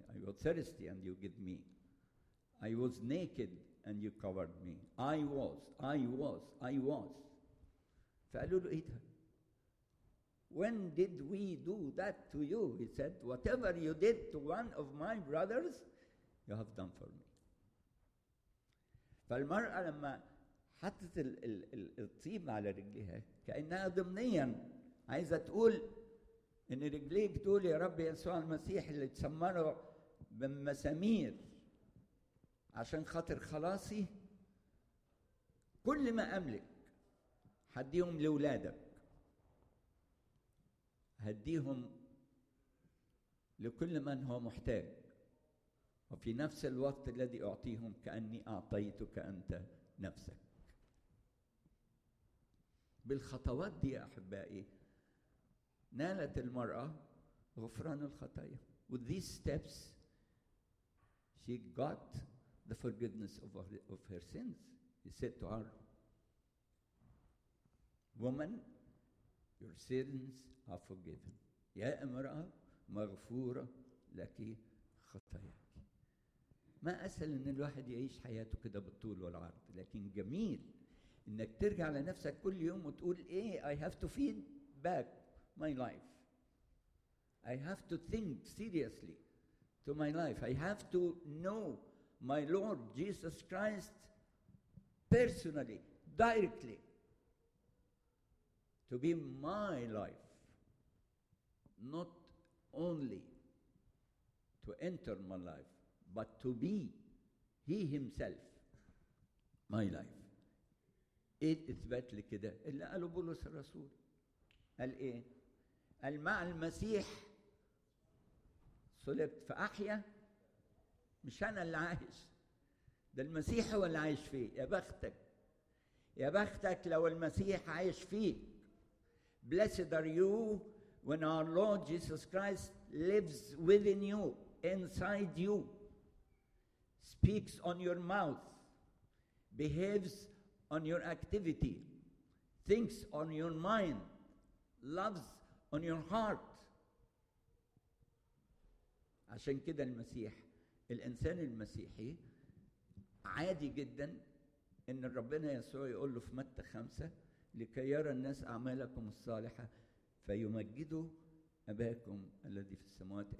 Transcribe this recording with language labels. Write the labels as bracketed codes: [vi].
[en] I was thirsty and you gave me. I was naked and you covered me. I was. [ar] فقالوا له ايه؟ [en] When did we do that to you? He said, whatever you did to one of my brothers, you have done for me. [ar] فالمرأة لما حطت الطيب على رجليها كأنها ضمنيا عايزة تقول ان رجليك تقول يا رب يسوع المسيح اللي تسمره بمسامير عشان خاطر خلاصي، كل ما أملك هديهم لأولادك، هديهم لكل من هو محتاج، وفي نفس الوقت الذي أعطيهم كأني أعطيتك أنت نفسك. بالخطوات دي أحبائي نالت المرأة غفران الخطايا. [en] With these steps she got the forgiveness of her sins. He said to her, woman, your sins are forgiven. [ar] يا امرأة مغفورة لك خطاياك. ما أسهل ان الواحد يعيش حياته كده بالطول والعرض، لكن جميل انك ترجع لنفسك كل يوم وتقول ايه، [en] I have to feed back my life. I have to think seriously to my life. I have to know my Lord Jesus Christ personally, directly, to be my life, not only to enter my life, but to be he himself my life. [ar] ايه اثبات لكده اللي قاله بولس الرسول؟ قال ايه؟ قال مع المسيح صلبت فاحيا، مش أنا اللي عايش، ده المسيح هو اللي عايش فيه. يا بختك، يا بختك لو المسيح عايش فيك. [en] Blessed are you when our Lord Jesus Christ lives within you, inside you, speaks on your mouth, behaves on your activity, thinks on your mind, loves on your heart. [ar] عشان كده المسيح، الإنسان المسيحي عادي جدا إن ربنا يسوع يقول له في متى 5، لكي يرى الناس أعمالكم الصالحة فيمجدوا أباكم الذي في السماوات.